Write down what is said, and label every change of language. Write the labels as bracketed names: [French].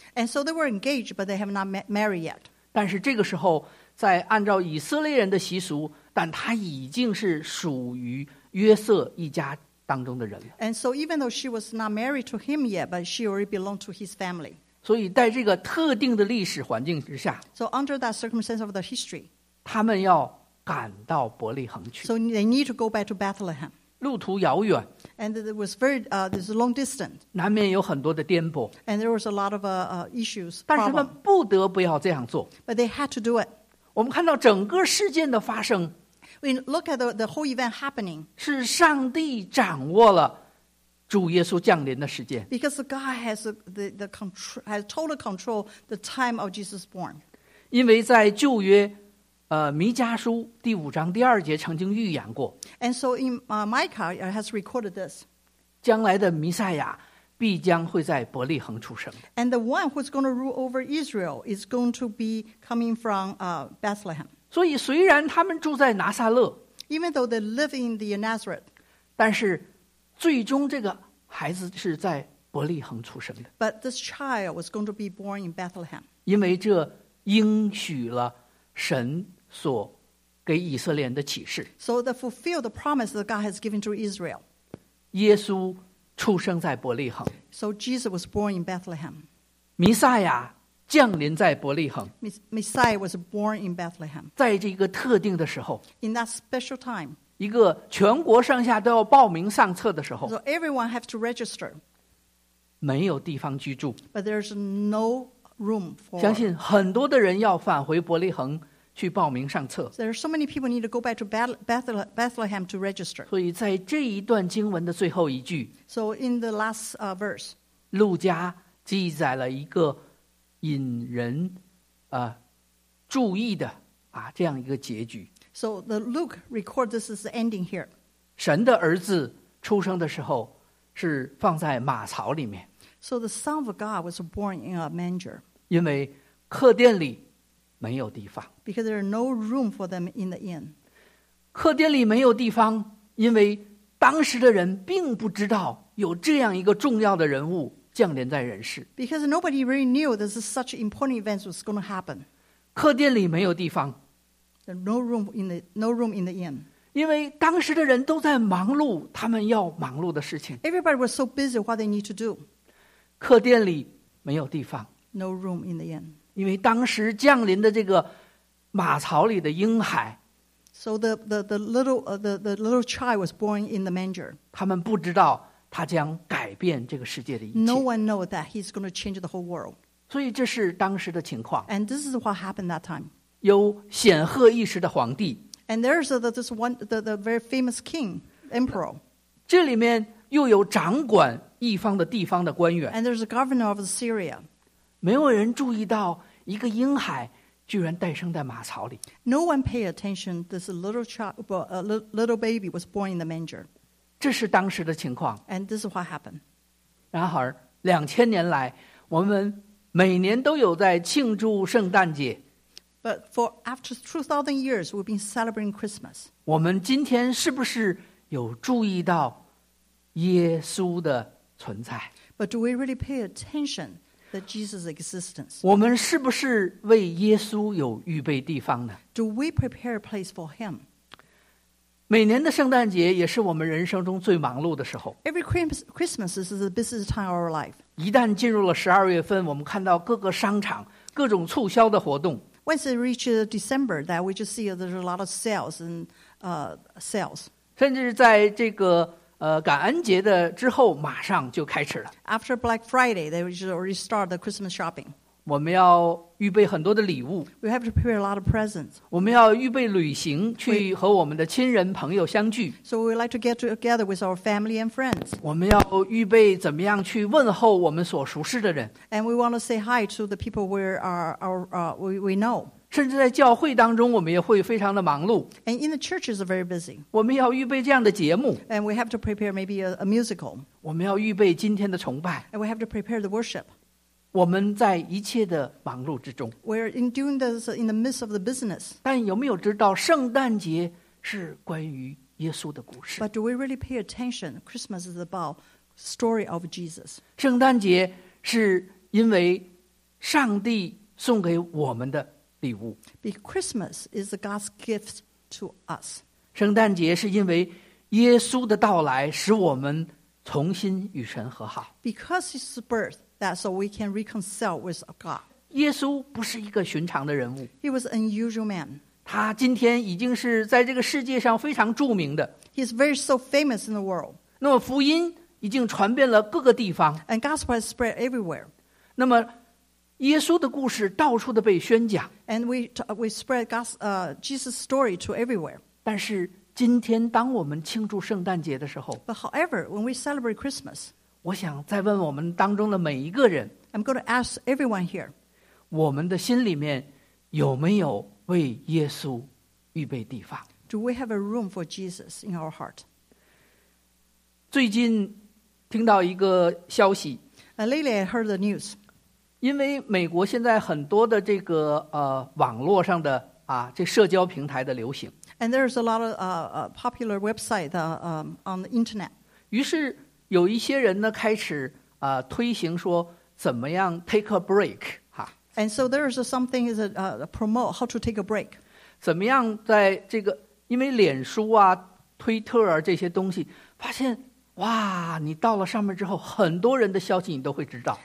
[English] And so they were engaged, but they have not married yet. [Chinese] 但是这个时候。在按照以色列人的习俗，但他已经是属于约瑟一家当中的人了。 [English] And so even though she was not married to him yet, but she already belonged to his family. [Chinese] 所以在这个特定的历史环境之下 [English] So under that circumstance of the history, [Chinese] 他们要赶到伯利恒去。 [English] So they need to go back to Bethlehem. [Chinese] 路途遥远。 [English] And it was very, this is long distance. [Chinese] 难免有很多的颠簸。 [English] And there was a lot of issues, problem. [Chinese] 但是他们不得不要这样做。 [English] But they had to do it. [Chinese] 我们看到整个事件的发生 [English] We look at the whole event happening [Chinese] 是上帝掌握了主耶稣降临的时间 [English] Because God has the control, has total control the time of Jesus born [Chinese] 因为在旧约弥迦书第五章第二节曾经预言过 [English] And so in Micah has recorded this [Chinese] 将来的弥赛亚必将会在伯利恒出生。 [English] And the one who's going to rule over Israel is going to be coming from Bethlehem. [Chinese] 所以虽然他们住在拿撒勒 [English] Even though they live in the Nazareth. [Chinese] 但是最终这个孩子是在伯利恒出生的。 [English] But this child was going to be born in Bethlehem. [Chinese] 因为这应许了神所给以色列人的启示。 [English] So they fulfill the promise that God has given to Israel. [Chinese] 耶稣出生在伯利恒 [English] So Jesus was born in Bethlehem [Chinese] 弥赛亚降临在伯利恒 [English] Messiah was born in Bethlehem [Chinese] 在这个特定的时候 [English] In that special time [Chinese] 一个全国上下都要报名上册的时候 [English] So everyone has to register [Chinese] 没有地方居住 [English] But there's no room for [Chinese] 相信很多的人要返回伯利恒去报名上册 [English] There are so many people need to go back to Bethlehem to register [Chinese] 所以在这一段经文的最后一句 [English] So in the last verse [Chinese] 路加记载了一个引人注意的这样一个结局 [English] So the Luke records this as the ending here [Chinese] 神的儿子出生的时候是放在马槽里面 [English] So the Son of God was born in a manger [Chinese] 因为客店里没有地方 [English] Because there are no room for them in the inn. [Chinese] 客店里没有地方因为当时的人并不知道有这样一个重要的人物降临在人世 [English] Because nobody really knew this is such important events was going to happen. [Chinese] 客店里没有地方 [English] There are no room in the inn. [Chinese] 因为当时的人都在忙碌他们要忙碌的事情 [English] Everybody was so busy what they need to do. [Chinese] 客店里没有地方 [English] No room in the inn. [Chinese] 因为当时降临的这个马槽里的婴孩 [English] So the little child was born in the manger [Chinese] 他们不知道他将改变这个世界的一切 [English] No one knows that he's going to change the whole world [Chinese] 所以这是当时的情况 [English] And this is what happened that time [Chinese] 有显赫一时的皇帝 [English] And there's this one the very famous king, emperor [Chinese] 这里面又有掌管一方的地方的官员 [English] And there's a governor of Syria [Chinese] 没有人注意到一个婴孩居然诞生在马槽里。 [English] No one paid attention. This little child, a little baby was born in the manger. [Chinese] 这是当时的情况。 [English] And this is what happened. [Chinese] 然而，两千年来，我们每年都有在庆祝圣诞节。 [English] But for after 2,000 years, we've been celebrating Christmas. [Chinese] 我们今天是不是有注意到耶稣的存在？ [English] But do we really pay attention to Jesus' existence? [Chinese] 我们是不是为耶稣有预备地方呢？ [English] Do we prepare a place for him? [Chinese] 每年的圣诞节也是我们人生中最忙碌的时候。 [English] Every Christmas is the busiest time of our life. [Chinese] 一旦进入了十二月份，我们看到各个商场各种促销的活动。 [English] Once it reaches December, that we just see there's a lot of sales and sales. [Chinese] 甚至在这个感恩节的之后，马上就开始了。 [English] After Black Friday, they just already start the Christmas shopping. [Chinese] 我们要预备很多的礼物。 [English] We have to prepare a lot of presents. [Chinese] 我们要预备旅行，去和我们的亲人朋友相聚。 [English] So we like to get together with our family and friends. [Chinese] 我们要预备怎么样去问候我们所熟识的人。 [English] And we want to say hi to the people we are we know. [Chinese] 甚至在教会当中，我们也会非常的忙碌。 [English] And in the churches are very busy. [Chinese] 我们要预备这样的节目。 [English] And we have to prepare maybe a musical. [Chinese] 我们要预备今天的崇拜。 [English] And we have to prepare the worship. [Chinese] 我们在一切的忙碌之中。 [English] We're in doing this in the midst of the business. [Chinese] 但有没有知道圣诞节是关于耶稣的故事？ [English] But do we really pay attention? Christmas is about story of Jesus. [Chinese] 圣诞节是因为上帝送给我们的礼物。 [English] Because Christmas is God's gift to us. [Chinese] 圣诞节是因为耶稣的到来使我们重新与神和好。 [English] Because his birth, that's so we can reconcile with God. [Chinese] 耶稣不是一个寻常的人物。 [English] He was an unusual man. [Chinese] 他今天已经是在这个世界上非常著名的。 [English] He's very so famous in the world. [Chinese] 那么福音已经传遍了各个地方。 [English] And gospel has spread everywhere. [Chinese] 那么耶稣的故事到处的被宣讲。 [English] And we spread God's, Jesus' story to everywhere. [Chinese] 但是今天当我们庆祝圣诞节的时候。 [English] But however, when we celebrate Christmas. [Chinese] 我想再问我们当中的每一个人。 [English] I'm going to ask everyone here. [Chinese] 我们的心里面有没有为耶稣预备地方？ [English] Do we have a room for Jesus in our heart? [Chinese] 最近听到一个消息。 [English] Lately I heard the news. [Chinese] 因为美国现在很多的这个网络上的这社交平台的流行。 [English] And there's a lot of popular website on the internet. [Chinese] 于是有一些人呢开始推行说怎么样 [English] take a break, [Chinese] 哈。 [English] And so there's something is promote how to take a break. [Chinese] 怎么样在这个因为脸书啊推特啊这些东西发现哇你到了上面之后很多人的消息你都会知道。